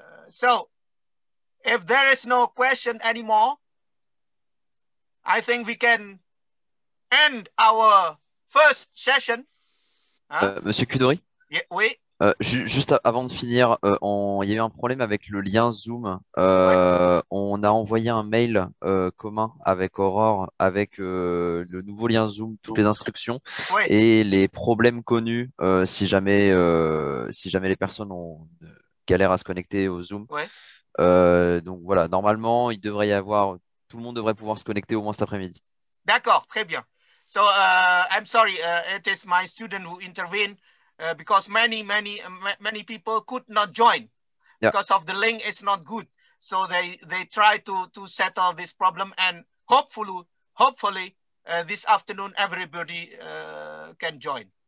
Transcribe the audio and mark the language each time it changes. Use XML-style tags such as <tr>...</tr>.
<en>So if there is no question anymore, I think we can end our first session.</en> <fr>Monsieur Khudori? Yeah, oui. Juste avant de finir, il y a eu un problème avec le lien Zoom. Ouais. On a envoyé un mail commun avec Aurore, avec le nouveau lien Zoom, toutes les instructions, ouais, et les problèmes connus. Si jamais les personnes ont galère à se connecter au Zoom, ouais. Donc voilà. Normalement, il devrait y avoir, tout le monde devrait pouvoir se connecter au moins cet après-midi. D'accord, très bien.</fr> <en>So I'm sorry, it is my student who intervened. Because many people could not join, yeah, because of the link is not good. So they try to settle this problem, and hopefully this afternoon everybody can join.</en>